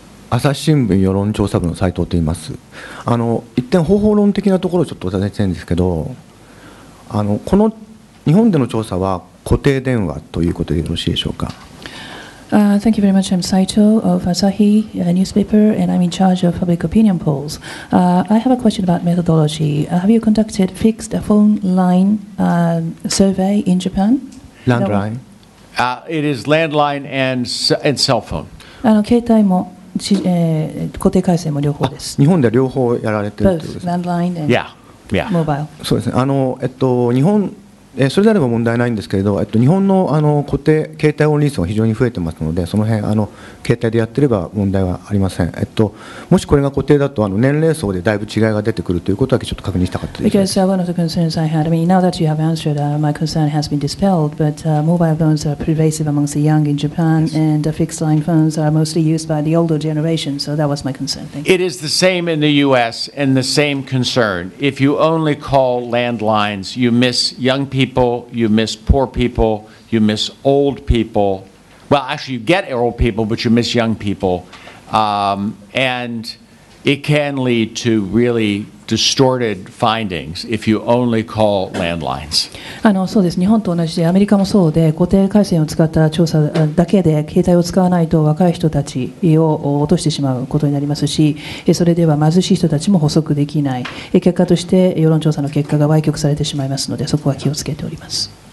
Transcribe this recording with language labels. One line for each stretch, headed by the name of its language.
Japanese: 朝日新聞世論調査部の斉藤と言います。一点方法論的なところをちょっとお尋ねしたいんですけど、この日本での調査は固定電話ということでよろしいでしょうか。
English: Thank you very much. I'm Saito of Asahi Newspaper, and I'm in charge of public opinion polls. I have a question about methodology. Have you conducted fixed phone line survey in Japan? Landline. It is landline and cell phone.
Japanese: 携帯も固定回線も両方です。日本では両方やられてるということです。
English: Both landline and mobile.
Japanese: そうですね。日本それであれば問題ないんですけれど、日本 の, 固定携帯オンリー数が非常に増えてますので、その辺携帯でやってれば問題はありません。もしこれが固定だと年齢層でだいぶ違いが出てくるということだけちょっと確認したかったです。
English: Because one of the concerns I had, I mean, now that you have answered, my concern has been dispelled, but mobile phones are pervasive amongst the young in Japan, and fixed line phones are mostly used by the older generation, so that was my concern. Thank you. It is the same in the US and the same concern. If you only call landlines, you miss young people, you miss poor people, you miss old people. Well, actually, you get old people, but you miss young people. And it can lead to really distorted findings if you only call landlines.
Japanese: そうです。日本と同じでアメリカもそうで、固定回線を使った調査だけで携帯を使わないと若い人たちを落としてしまうことになりますし、それでは貧しい人たちも補足できない。結果として世論調査の結果が歪曲されてしまいますので、そこは気をつけております。